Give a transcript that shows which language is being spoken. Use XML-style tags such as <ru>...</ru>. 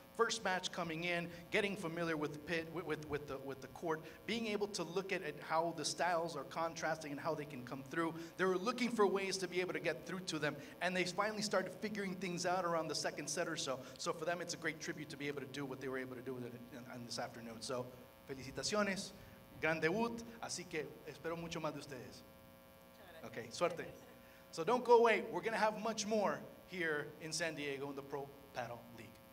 <en>First match coming in, getting familiar with the pit, with the court, being able to look at how the styles are contrasting and how they can come through. They were looking for ways to be able to get through to them, and they finally started figuring things out around the second set or so. So for them, it's a great tribute to be able to do what they were able to do with it in this afternoon.</en> <es>So, felicitaciones. Gran debut, así que espero mucho más de ustedes.</es> <en>Okay, suerte. So don't go away. We're going to have much more here in San Diego in the Pro Paddle League.</en>